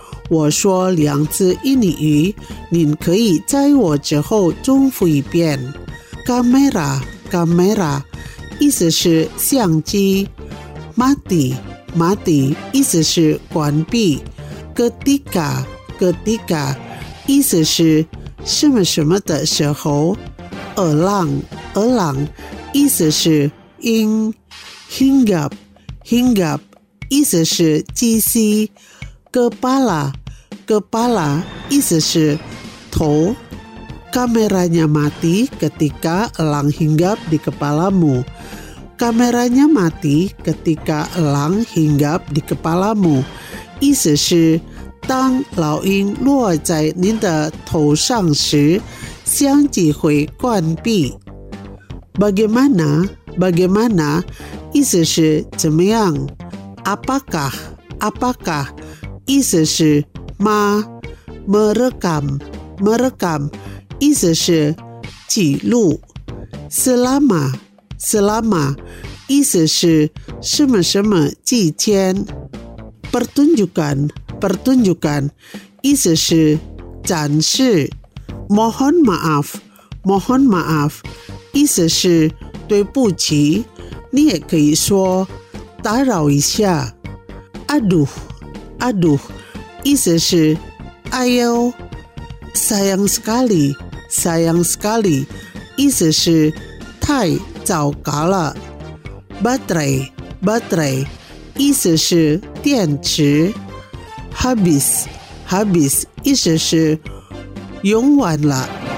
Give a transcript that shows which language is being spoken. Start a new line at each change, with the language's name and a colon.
Chinese: 我说两字印尼语，您可以在我之后重复一遍。
Indonesian: Kamera， Kamera
Chinese: 意思是相机。
Indonesian: Mati， Mati
Chinese: 意思是关闭。
Indonesian: Ketika， Ketika
Chinese: 意思是什么什么的时候。
Indonesian: Orang， Orang
Chinese: 意思是 in，
Indonesian: hinggap， hinggap，
Chinese: 意思是窒息。
Indonesian: kepala， kepala，
Chinese: 意思是头。
Indonesian: kameranya mati ketika elang hinggap di kepalamu， kameranya mati ketika elang hinggap di kepalamu，
Chinese: 意思是当老鹰落在您的头上时，相机会关闭。
Indonesian: Bagaimana? Bagaimana?
Chinese: 意思是怎么样？
Indonesian: Apakah? Apakah?
Chinese: 意思是吗？
Indonesian: Merekam? Merekam?
Chinese: 意思是记录。
Indonesian: Selama? Selama?
Chinese: 意思是什么什么期间。
Indonesian: Pertunjukan? Pertunjukan?
Chinese: 意思是展示。
Indonesian: Mohon maaf? Mohon maaf?
Chinese: 意思是对不起，你也可以说打扰一下。
Indonesian: Aduh, aduh,
Chinese: 意思是哎呦。
Indonesian: Sayang sekali, sayang sekali,
Chinese: 意思是太糟糕了。
Indonesian: Baterai, baterai,
Chinese: 意思是电池。
Indonesian: Habis, habis,
Chinese: 意思是用完了。